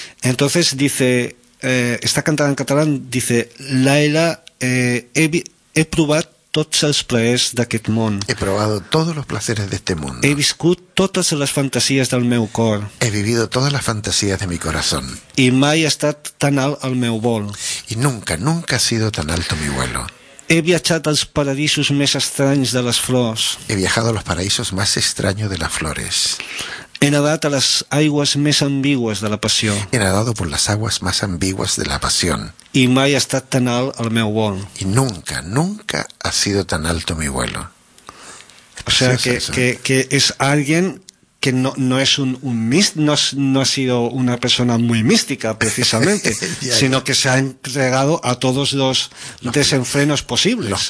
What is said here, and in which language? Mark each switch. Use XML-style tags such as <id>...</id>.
<es>Entonces dice, está cantada en catalán, dice, Laila, he probado todos los placeres de</es> <ca>aquest món.</ca> <es>He probado todos los placeres de este mundo.</es> <ca>He viscut</ca> <es>todas las fantasías</es> <ca>del meu cor.</ca> <es>He vivido todas las fantasías de mi corazón.</es> <ca>Y mai ha estat tan alt el meu vol.</ca> <es>Y nunca ha sido tan alto mi vuelo.</es> <ca>He viatjat als paradisos més estranys de les flors.</ca> <es>He viajado a los paraísos más extraños de las flores.</es> <ca>He nadat a les aigües més ambigües de la passió.</ca> <es>He nadado por las aguas más ambiguas de la pasión.</es> <ca>I mai ha estat tan alt el meu vol.</ca> <es>Y nunca ha sido tan alto mi vuelo. O sea, que es alguien que no es no ha sido una persona muy mística precisamente, sino que se ha entregado a todos los desenfrenos posibles,</es>